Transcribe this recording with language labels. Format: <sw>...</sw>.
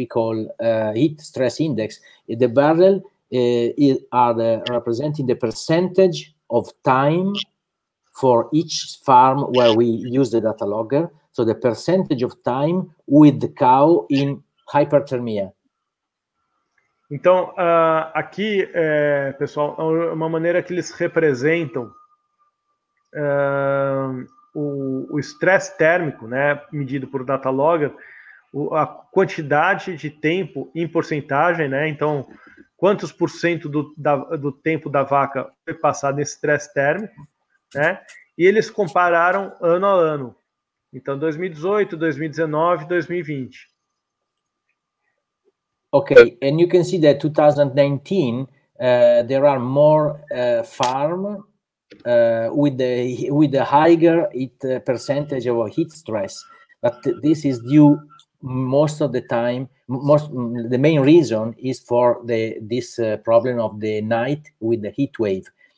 <en>We call heat stress index. The barrel are representing the percentage of time for each farm where we use the data logger, so the percentage of time with the cow in hyperthermia.</en> <pt>Então, aqui, pessoal, é uma maneira que eles representam o estresse térmico, né, medido por data logger, a quantidade de tempo em porcentagem, né, então, quantos por cento do tempo da vaca foi passado em estresse térmico, né? E eles compararam ano a ano. Então, 2018, 2019, 2020.</pt> <en>Okay, and you can see that 2019 there are more farms with the higher heat percentage of heat stress. But this is due most of the time, the main reason is for this problem of the night with the heat wave.</en>